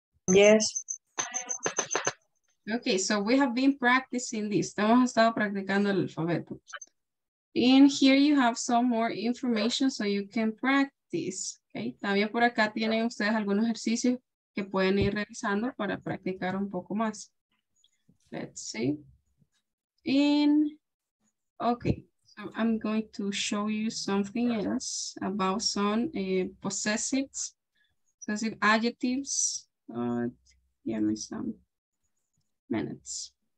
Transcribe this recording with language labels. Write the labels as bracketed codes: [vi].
[en] Yes. Okay, so we have been practicing this. [es] Hemos estado practicando el alfabeto. [en] In here you have some more information so you can practice. Okay. [es] También por acá tienen ustedes algunos ejercicios que pueden ir revisando para practicar un poco más. [en] Let's see. Okay, so I'm going to show you something else about some possessive adjectives. Give me some minutes.